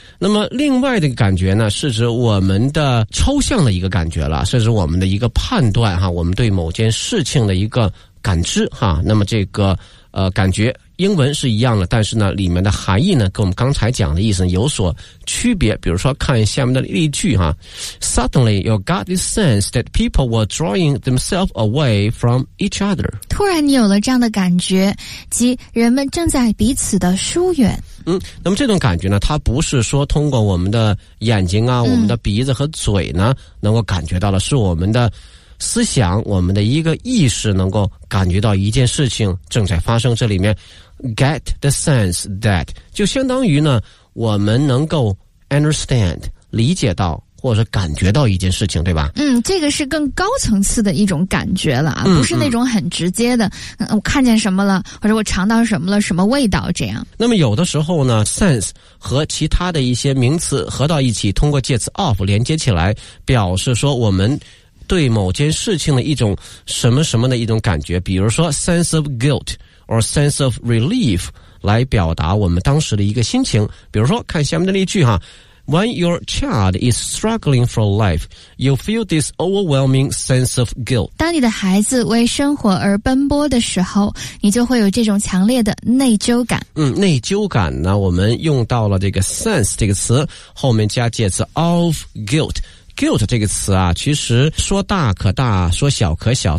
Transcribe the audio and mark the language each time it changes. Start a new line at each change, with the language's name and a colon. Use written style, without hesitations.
Chinese: 那么另外的感觉呢，是指我们的抽象的一个感觉了，是指我们的一个判断哈，我们对某件事情的一个感知哈。那么这个感觉英文是一样的，但是呢里面的含义呢跟我们刚才讲的意思有所区别。比如说看下面的例句哈，
English: Suddenly you got this sense that people were drawing themselves away from each other。
Chinese: 突然你有了这样的感觉，即人们正在彼此的疏远。嗯，那么这种感觉呢，它不是说通过我们的眼睛啊、我们的鼻子和嘴呢能够感觉到的，是我们的思想，我们的一个意识能够感觉到一件事情正在发生。这里面
English: get the sense that
Chinese: 就相当于呢，我们能够 understand 理解到或者感觉到一件事情，对吧？嗯，这个是更高层次的一种感觉了啊，不是那种很直接的，我看见什么了，或者我尝到什么了，什么味道这样。那么有的时候呢 ，sense 和其他的一些名词合到一起，通过介词 of 连接起来，表示说我们对某件事情的一种什么什么的一种感觉，比如说
English: sense of guilt or sense of relief
Chinese: 来表达我们当时的一个心情。比如说看下面的例句哈。
English: When your child is struggling for life, you feel this overwhelming sense of guilt.
Chinese: 当你的孩子为生活而奔波的时候，你就会有这种强烈的内疚感。嗯，内疚感呢，我们用到了这个 sense 这个词，后面加介词 of guilt。 guilt 这个词啊，其实说大可大，说小可小。